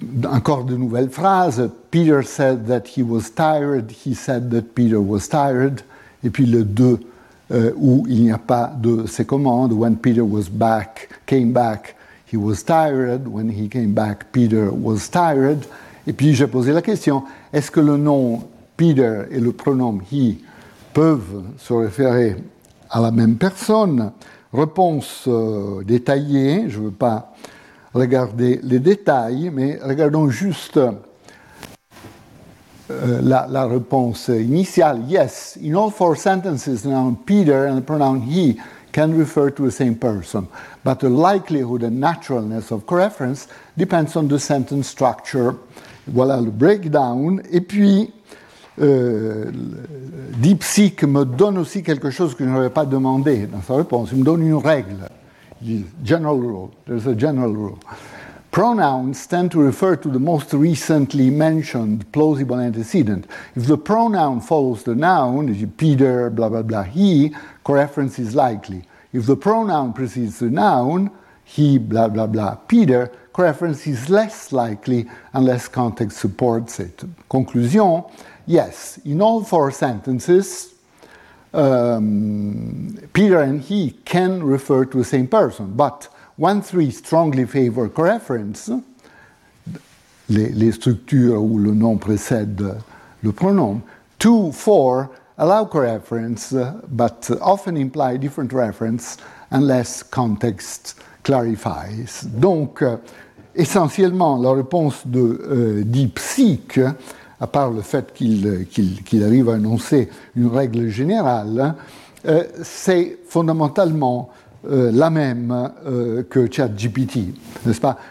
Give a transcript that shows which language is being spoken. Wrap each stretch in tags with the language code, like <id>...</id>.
<fr>Encore de nouvelles phrases.</fr> <en>Peter said that he was tired. He said that Peter was tired.</en> <fr>Et puis le 2, où il n'y a pas de ces commandes.</fr> <en>When Peter was back, came back, he was tired. When he came back, Peter was tired.</en> <fr>Et puis j'ai posé la question, est-ce que le nom Peter et le pronom he peuvent se référer à la même personne? Réponse détaillée, je ne veux pas regarder les détails, mais regardons juste la réponse initiale.</fr> <en>Yes, in all four sentences, the noun Peter and the pronoun he can refer to the same person, but the likelihood and naturalness of coreference depends on the sentence structure.</en> <fr>Voilà le breakdown. Et puis, DeepSeek me donne aussi quelque chose que je n'avais pas demandé dans sa réponse. Il me donne une règle.</fr> <en>General rule. There's a general rule. Pronouns tend to refer to the most recently mentioned plausible antecedent. If the pronoun follows the noun, Peter, blah, blah, blah, he, coreference is likely. If the pronoun precedes the noun, he, blah, blah, blah, Peter, coreference is less likely unless context supports it. Conclusion. Yes, in all four sentences, Peter and he can refer to the same person, but 1-3 strongly favor coreference,</en> <fr>les structures où le nom précède le pronom.</fr> <en>2-4 allow coreference, but often imply different reference unless context clarifies.</en> <fr>Donc, essentiellement, la réponse de DeepSeek, à part le fait qu'il arrive à énoncer une règle générale, c'est fondamentalement la même que ChatGPT, n'est-ce pas?</fr>